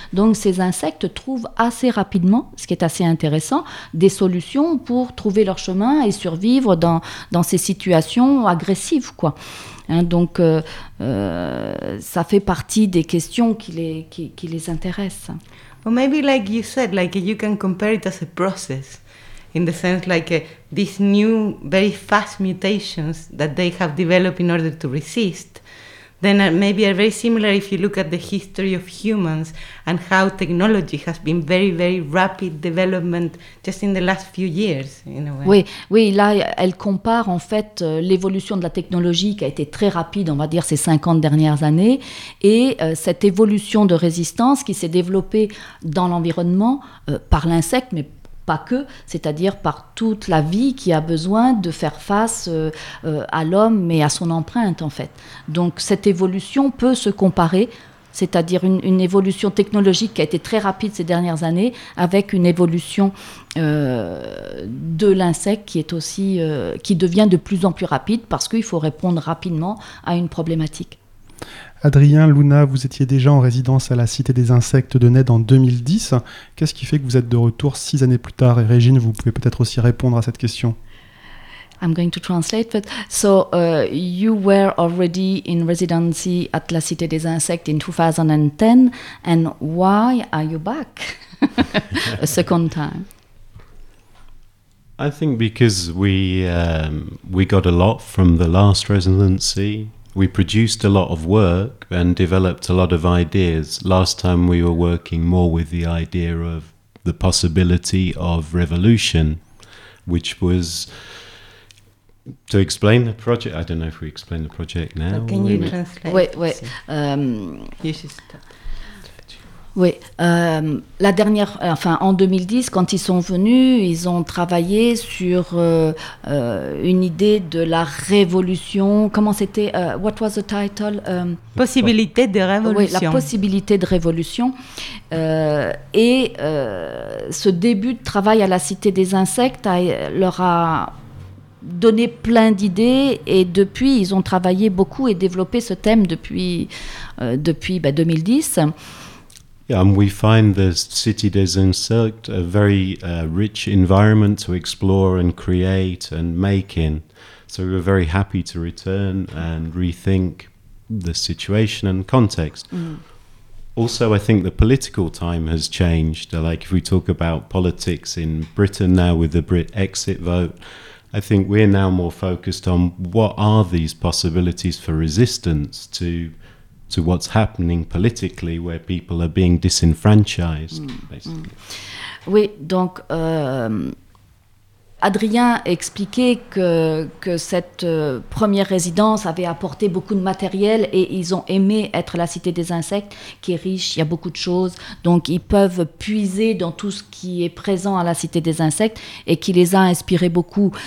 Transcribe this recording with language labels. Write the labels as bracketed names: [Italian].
[French] Donc ces insectes trouvent assez rapidement, ce qui est assez intéressant, des solutions pour trouver leur chemin et survivre dans ces situations agressives, quoi. Hein, donc ça fait partie des questions qui les intéressent. [English] Well, maybe like you said, like you can compare it as a process, in the sense like these new very fast mutations that they have developed in order to resist, then maybe are very similar if you look at the history of humans and how technology has been very very rapid development just in the last few years in a way. [French] Oui, là elle compare en fait l'évolution de la technologie qui a été très rapide, on va dire ces 50 dernières années, et cette évolution de résistance qui s'est développée dans l'environnement par l'insecte, mais pas que, c'est-à-dire par toute la vie qui a besoin de faire face à l'homme et à son empreinte, en fait. Donc cette évolution peut se comparer, c'est-à-dire une évolution technologique qui a été très rapide ces dernières années, avec une évolution de l'insecte qui est aussi, qui devient de plus en plus rapide, parce qu'il faut répondre rapidement à une problématique. Adrien, Luna, vous étiez déjà en résidence à la Cité des insectes de Ned en 2010. Qu'est-ce qui fait que vous êtes de retour 6 années plus tard? Et Régine, vous pouvez peut-être aussi répondre à cette question. [English] I'm going to translate, but so you were already in residency at la Cité des insectes in 2010, and why are you back a second time? I think because we got a lot from the last residency. We produced a lot of work and developed a lot of ideas. Last time we were working more with the idea of the possibility of revolution, which was to explain the project. I don't know if we explain the project now. But can you translate? Wait, you should start. [French] Oui, en 2010, quand ils sont venus, ils ont travaillé sur une idée de la révolution. Comment c'était? [English] What was the title? [French] Possibilité de révolution. Oui, la possibilité de révolution. Et ce début de travail à la Cité des insectes leur a donné plein d'idées. Et depuis, ils ont travaillé beaucoup et développé ce thème depuis 2010. [English] And we find the Cité des insectes a very rich environment to explore and create and make in. So we were very happy to return and rethink the situation and context. Mm. Also, I think the political time has changed. Like if we talk about politics in Britain now with the Brit exit vote, I think we're now more focused on what are these possibilities for resistance to what's happening politically, where people are being disenfranchised, basically. [French] Oui, donc Adrien expliquait que cette première résidence avait apporté beaucoup de matériel et ils ont aimé être la cité des insectes, qui est riche, il y a beaucoup de choses. Donc ils peuvent puiser dans tout ce qui est présent à la cité des insectes et qui les a inspirés beaucoup.